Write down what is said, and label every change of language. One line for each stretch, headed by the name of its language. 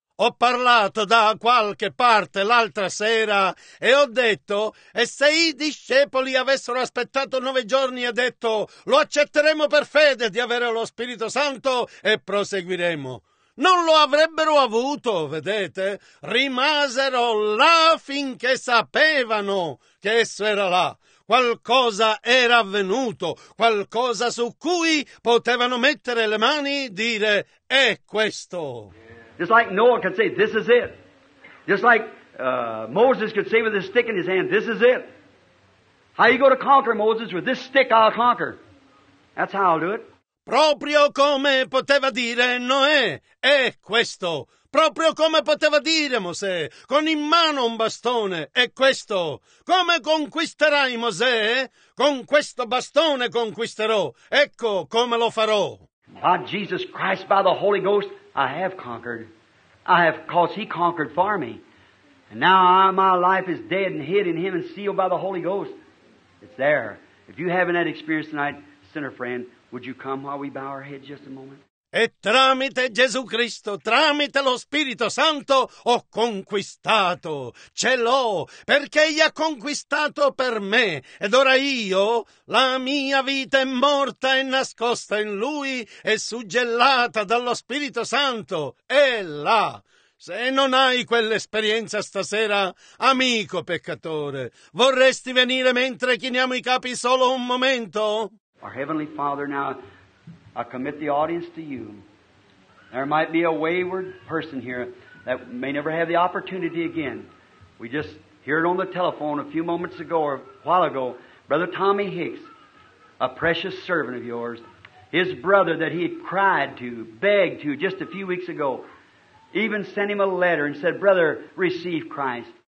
Italian: Ho parlato da qualche parte l'altra sera e ho detto, e se i discepoli avessero aspettato 9 giorni e detto, lo accetteremo per fede di avere lo Spirito Santo e proseguiremo. Non lo avrebbero avuto, vedete? Rimasero là finché sapevano che esso era là. Qualcosa era avvenuto, qualcosa su cui potevano mettere le mani e dire, è questo.
English: Just like Noah could say, this is it. Just like Moses could say with his stick in his hand, this is it. How you go to conquer, Moses? With this stick I'll conquer. That's how I'll do it.
Italian: Proprio come poteva dire Noè, è questo. Proprio come poteva dire Mosè, con in mano un bastone, è questo. Come conquisterai Mosè? Con questo bastone conquisterò. Ecco come lo farò.
English: By Jesus Christ, by the Holy Ghost, I have conquered. I have, cause He conquered for me. And now my life is dead and hid in Him and sealed by the Holy Ghost. It's there. If you haven't had experience tonight, sinner friend, would you come while we bow our head just a moment?
Italian: E tramite Gesù Cristo, tramite lo Spirito Santo, ho conquistato, ce l'ho, perché Egli ha conquistato per me. Ed ora io, la mia vita è morta e nascosta in Lui, e suggellata dallo Spirito Santo, è là. Se non hai quell'esperienza stasera, amico peccatore, vorresti venire mentre chiniamo i capi solo un momento?
English: Our Heavenly Father, now I commit the audience to You. There might be a wayward person here that may never have the opportunity again. We just heard on the telephone a few moments ago or a while ago, Brother Tommy Hicks, a precious servant of Yours, his brother that he had cried to, begged to just a few weeks ago, even sent him a letter and said, Brother, receive Christ.